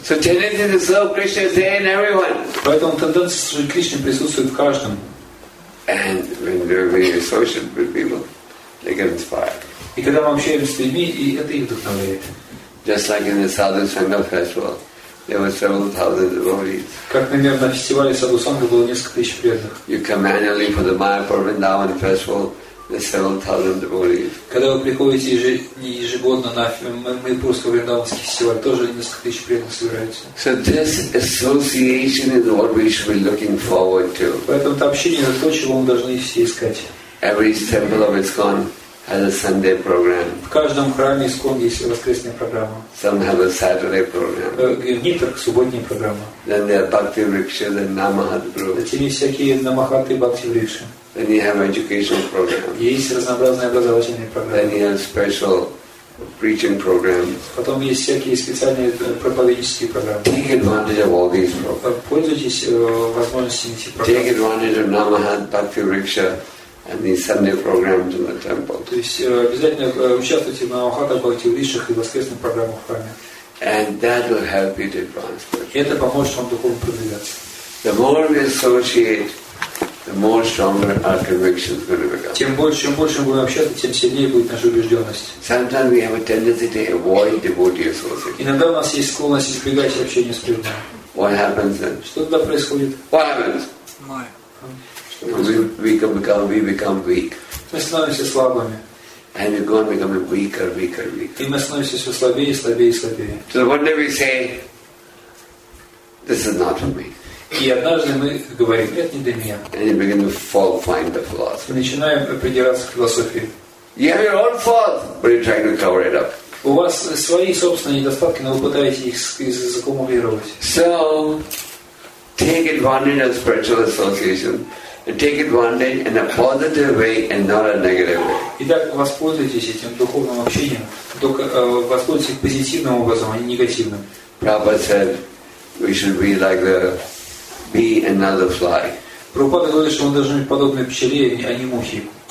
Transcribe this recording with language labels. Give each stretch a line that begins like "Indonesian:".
English: So tendency to serve Krishna is there in everyone.
Russian: Поэтому тенденция служить Кришне присутствует в каждом.
English: And when we associate with people, they get inspired.
Russian: И когда мы общаемся с людьми, и это их вдохновляет.
English: Just like in the Sadhu Sangha festival, there were several thousand devotees.
Russian: Как, например, на фестивале Саду Санга было несколько тысяч преданных.
English: You come annually for the Mayapur Vrindavan festival. The 7,000 devotees.
Russian: Когда вы приходите ежегодно на Майпурский Вриндаванский фестиваль, тоже несколько тысяч преданных собираются.
English: So this association is what we should be looking forward to.
Russian: Поэтому это общение, это то, чего мы должны все искать.
English: Every temple of ISKCON has a Sunday program.
Russian: В каждом храме ИСККОН есть воскресная программа.
English: Some have a Saturday program.
Russian: В Нитрах субботняя программа.
English: Then there are Bhakti Rikshas and Namahat group.
Russian: Затем есть всякие Намахаты и Бхакти Рикши.
English: Then you have educational programs.
Russian: Есть разнообразные образовательные программы.
English: Then you have special preaching programs.
Russian: Потом есть всякие специальные проповеднические программы.
English: Take advantage of all these programs.
Russian: Пользуйтесь возможностями этих программ.
English: Take advantage of Namahant Bhakti Riksha and these Sunday programs in the temple.
Russian: То есть обязательно участвуйте в Намахата Бхакти Ришах и воскресных программах в храме.
English: And that will help you to advance.
Russian: Это поможет вам духовно продвигаться.
English: The more we associate, the more stronger our convictions will become.
Russian: Чем больше, чем больше мы будем общаться, тем сильнее будет наша убежденность.
English: Sometimes we have a tendency to avoid devotee association.
Russian: Иногда у нас есть склонность избегать общения с преданными.
English: What happens then?
Russian: Что тогда происходит?
English: What happens? We become weak.
Russian: Мы становимся слабыми.
English: And we're going to become weaker, weaker, weaker.
Russian: И мы становимся все слабее, слабее, слабее.
English: So one day we say, this is not for me.
Russian: И однажды мы говорим, это не для меня.
English: And you begin to fall, find the philosophy.
Russian: Мы начинаем придираться к философии.
English: You have your own faults, but you're trying to cover it up.
Russian: У вас свои собственные недостатки, но вы пытаетесь их закумулировать.
English: So, take advantage of spiritual association. Take advantage in a positive way and not a negative way.
Russian: Итак, воспользуйтесь этим духовным общением, только воспользуйтесь позитивным образом, а не негативным.
English: Prabhupada said, we should be like the bee and not the fly.
Russian: Прабхупада говорит, что мы должны быть подобны пчеле, а не мухе.